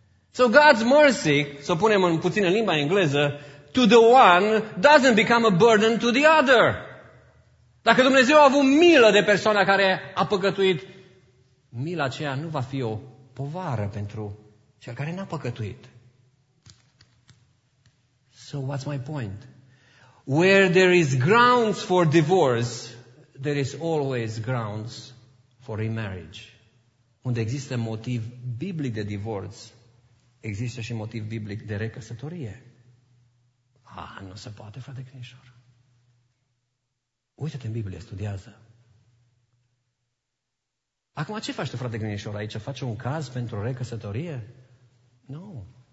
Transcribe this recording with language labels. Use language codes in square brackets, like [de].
[en] So God's mercy, [ro] să punem în puțin în limba engleză, [en] to the one doesn't become a burden to the other. [ro] Dacă Dumnezeu a avut milă de persoana care a păcătuit, mila aceea nu va fi o povară pentru cel care n-a păcătuit. [en] So what's my point? Where there is grounds for divorce, there is always grounds for remarriage. [ro] Unde există motiv biblic de divorț, există și motiv biblic de recăsătorie. Ah, nu se poate, frate Crișor. Uită-te în Biblie, studiază. Acum, ce faci tu, frate Crișor, aici? Faci un caz pentru recăsătorie? Nu.